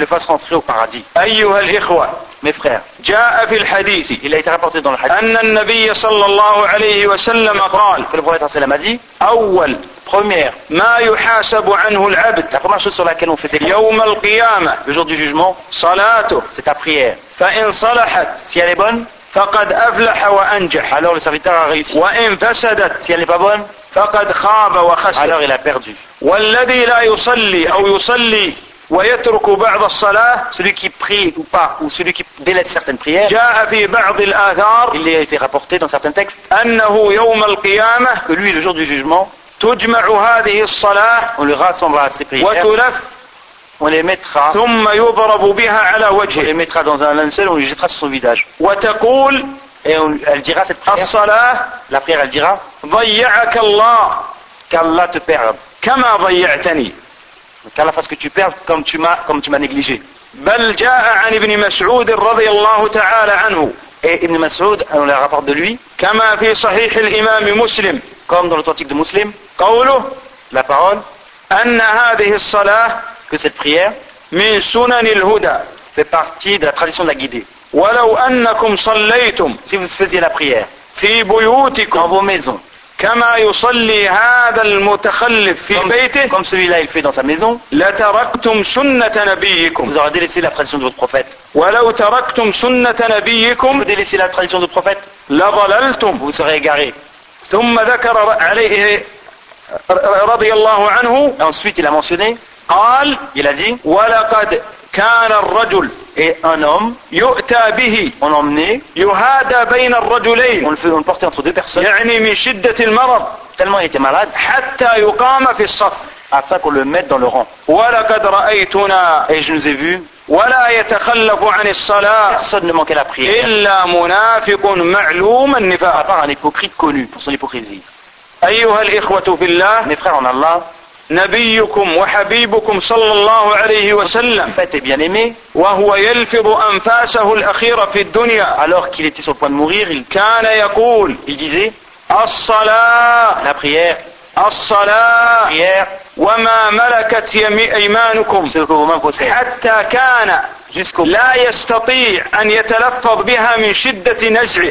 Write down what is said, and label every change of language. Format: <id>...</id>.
<fr>le fasse rentrer au paradis.</fr> <ar>أيها الإخوة,</ar> <fr>mes frères,</fr> <ar>جاء في الحديث,</ar> <fr>il a été rapporté dans le hadith,</fr> <ar>أن النبي صلى الله عليه وسلم قال,</ar> <fr>que le prophète sallam a dit,</fr> <ar>أول,</ar> <fr>première,</fr> <ar>ما يحاسب عنه العبد,</ar> <fr>la première chose sur laquelle on fait</fr> <ar>des يوم القيامة,</ar> <fr>le jour du jugement,</fr> <ar>صلاته,</ar> <fr>c'est ta prière,</fr> <ar>فإن صلحت,</ar> <fr>si elle est bonne,</fr> <ar>فقد أفلح وأنجح,</ar> <fr>alors le serviteur a réussi,</fr> <ar>وإن فسدت,</ar> <fr>si elle n'est pas bonne,</fr> <ar>فقد خاب وخسر,</ar> <fr>alors il a perdu.</fr> <ar>والذي لا يصلي أو يصلي ويترك بعض الصلاة,</ar> <fr>celui qui prie ou pas, ou celui qui délaisse certaines prières,</fr> <ar>جاء في بعض الآثار,</ar> <fr>il a été rapporté dans certains textes,</fr> <ar>أنه يوم القيامة,</ar> <fr>que lui le jour du jugement,</fr> <ar>تجمع هذه الصلاة,</ar> <fr>on le rassemblera ses prières,</fr> <ar>وتلف,</ar> <fr>on les mettra,</fr> <ar>ثم يضرب بها على وجهه,</ar> <fr>on les mettra dans un linceul, on les jettera sur son visage,</fr> <ar>وتقول,</ar> <fr>et on, elle dira cette prière,</fr> <ar>الصلاة,</ar> <fr>la prière elle dira,</fr> <ar>ضيعك الله,</ar> <fr>qu'Allah te perde,</fr> <ar>كما ضيعتني,</ar> <fr>qu'Allah fasse que tu perdes comme tu m'as négligé,</fr> <ar>بل جاء عن ابن مسعود رضي الله تعالى عنه,</ar> <fr>et ابن مسعود on le rapporte de lui,</fr> <ar>كما في صحيح الإمام مسلم,</ar> <fr>comme dans l'authentique de Muslim,</fr> <ar>قوله,</ar> <fr>la parole,</fr> <ar>أن هذه الصلاة,</ar> <fr>que cette prière,</fr> <ar>من سنن الهدى,</ar> <fr>fait partie de la tradition de la guidée,</fr> <ar>ولو أنكم صليتم,</ar> <fr>si vous faisiez la prière,</fr> <ar>في بيوتكم,</ar> <fr>dans vos maisons,</fr> <ar>كما يصلي هذا المتخلف في بيته,</ar> <fr>comme celui-là il fait dans sa maison,</fr> <ar>لتركتم سنة نبيكم,</ar> <fr>vous aurez délaissé la tradition de votre prophète,</fr> <ar>ولو تركتم سنة نبيكم,</ar> <fr>vous délaissez la tradition de votre prophète,</fr> <ar>لضللتم,</ar> <fr>vous serez égaré,</fr> <ar>ثم ذكر عليه رضي الله عنه,</ar> <fr>ensuite il a mentionné,</fr> <ar>قال,</ar> <fr>il a dit,</fr> <ar>ولقد كان الرجل,</ar> <fr>et un homme,</fr> <ar>يؤتى به,</ar> <fr>on emmenait,</fr> <ar>يهادى بين الرجلين,</ar> <fr>on le portait entre deux personnes,</fr> <ar>يعني من شدة المرض,</ar> <fr>tellement il était malade,</fr> <ar>حتى يقام في الصف,</ar> <fr>afin qu'on le mette dans le rang,</fr> <ar>ولقد رأيتنا,</ar> <fr>et je nous ai vu,</fr> <ar>ولا يتخلف عن الصلاة,</ar> <fr>personne ne manquait la prière,</fr> <ar>إلا منافق معلوم النفاق,</ar> <fr>à part un hypocrite connu pour son hypocrisie.</fr> <ar>أيها الإخوة في الله,</ar> <fr>mes frères en Allah,</fr> <ar>نبيكم وحبيبكم صلى الله عليه وسلم, فاتي بيان ايمي, وهو يلفظ أنفاسه الأخيرة في الدنيا,</ar> <fr>alors qu'il était sur le point de mourir, il</fr> <ar>كان يقول,</ar> <fr>il disait,</fr> <ar>الصلاة,</ar> <fr>la prière,</fr> <ar>الصلاة,</ar> <fr>prière,</fr> <ar>وما ملكت أيمانكم,</ar> <fr>ce que vous-même possédez,</fr> <ar>حتى كان,</ar> <fr>jusqu'au,</fr> <ar>لا يستطيع أن يتلفظ بها من شدة نزعه,</ar>